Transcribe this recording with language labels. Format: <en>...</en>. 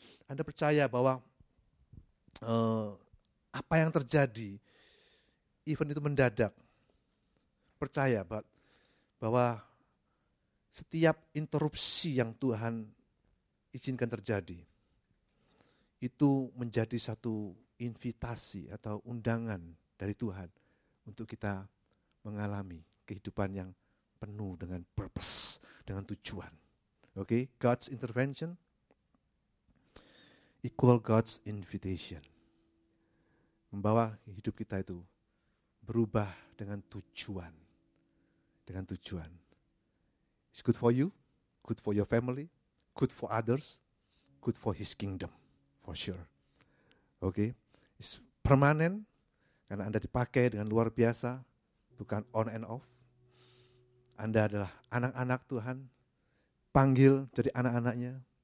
<id>Anda percaya bahwa apa yang terjadi, event itu mendadak, percaya bahwa setiap interupsi yang Tuhan izinkan terjadi, itu menjadi satu invitasi atau undangan dari Tuhan untuk kita mengalami kehidupan yang penuh dengan purpose, dengan tujuan. Okay?</id> <en>God's intervention equal God's invitation.</en> <id>Membawa hidup kita itu berubah dengan tujuan. Dengan tujuan.</id> <en>It's good for you, good for your family, good for others, good for his kingdom, for sure. Okay? It's permanent,</en> <id>Karena Anda dipakai dengan luar biasa, bukan</id> <en>on and off.</en> <id>Anda adalah anak-anak Tuhan, panggil jadi anak-anaknya.</id>